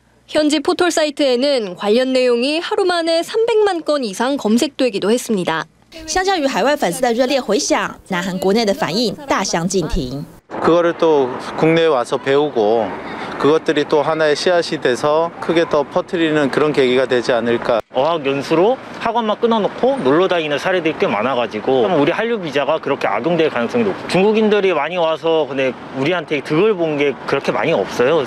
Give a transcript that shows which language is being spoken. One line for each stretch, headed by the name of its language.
Korean: 현지 포털 사이트에는 관련 내용이 하루 만에 300만 건 이상 검색되기도 했습니다.
Chinese: 相较于海外粉丝的热烈回响，南韩国内的反应大相径庭。
Korean: 그거를 또 국내에 와서 배우고 그것들이 또 하나의 씨앗이 돼서 크게 더 퍼뜨리는 그런 계기가 되지 않을까. 어학연수로 학원만 끊어놓고 놀러 다니는 사례들이 꽤 많아가지고 우리 한류 비자가 그렇게 악용될 가능성이 높고 중국인들이 많이 와서 근데 우리한테 득을 본 게 그렇게 많이 없어요.